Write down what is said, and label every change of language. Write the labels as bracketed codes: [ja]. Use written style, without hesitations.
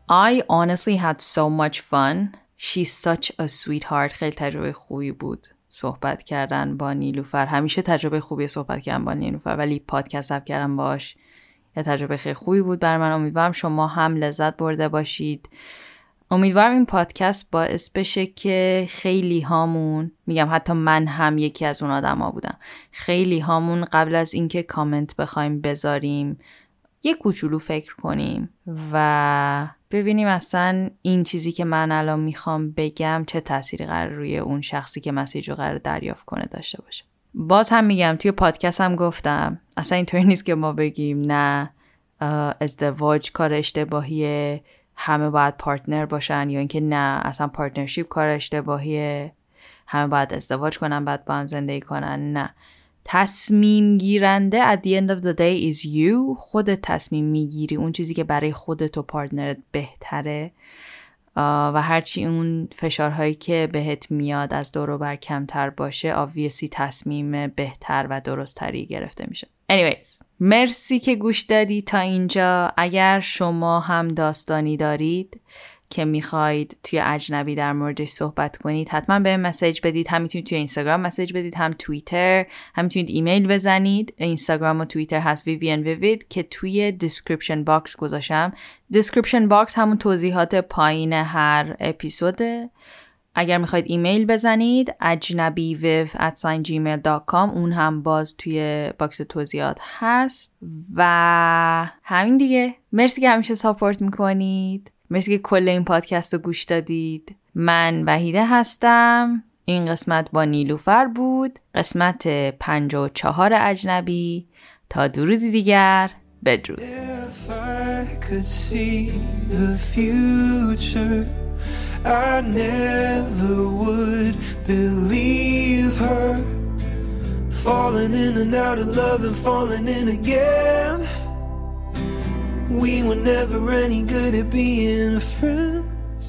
[en] I honestly had so much fun. She's such a sweetheart. [fa] خیلی تجربه خوبی بود صحبت کردن با نیلوفر. همیشه تجربه خوبی صحبت کردن با نیلوفر، ولی پادکست هم کردم باش یه تجربه خیلی خوبی بود برای من. امیدوارم شما هم لذت برده باشید. امیدوارم این پادکست باعث بشه که خیلی هامون، میگم حتی من هم یکی از اون آدم ها بودم، خیلی هامون قبل از اینکه کامنت بخوایم بذاریم یه کوچولو فکر کنیم و ببینیم اصلا این چیزی که من الان میخوام بگم چه تأثیری قرار روی اون شخصی که مسیج رو قرار دریافت کنه داشته باشه. باز هم میگم توی پادکست هم گفتم اصلا اینطوری نیست که ما بگیم نه ازدواج کار اشتباهیه، همه باید پارتنر باشن، یا اینکه نه اصلا پارتنرشیپ کار اشتباهیه، همه باید ازدواج کنن بعد با هم زندگی کنن. نه، تصمیم گیرنده [en] at the end of the day is you. [fa] خودت تصمیم میگیری اون چیزی که برای خودت و پارتنرت بهتره، و هرچی اون فشارهایی که بهت میاد از دور و بر کمتر باشه obviously تصمیم بهتر و درستری گرفته میشه. anyways، مرسی که گوش دادی تا اینجا. اگر شما هم داستانی دارید که میخواید توی اجنبی در موردش صحبت کنید، حتما به مسیج بدید. هم میتونید توی اینستاگرام مسیج بدید، هم توییتر، هم میتونید ایمیل بزنید. اینستاگرام و توییتر هست Vivian Vivid، که توی دیسکریپشن باکس گذاشتم. دیسکریپشن باکس همون توضیحات پایین هر اپیزوده. اگر میخواید ایمیل بزنید ajnabiviv@gmail.com، اون هم باز توی باکس توضیحات هست. و همین دیگه، مرسی که همیشه ساپورت میکنید، مرسی که کل این پادکست رو گوش دادید. من وحیده هستم، این قسمت با نیلوفر بود، قسمت 54 اجنبی. تا درود دیگر، بدرود. [en] If I could see the future I never would believe her. Falling in and out of love and falling in again. We were never any good at being friends.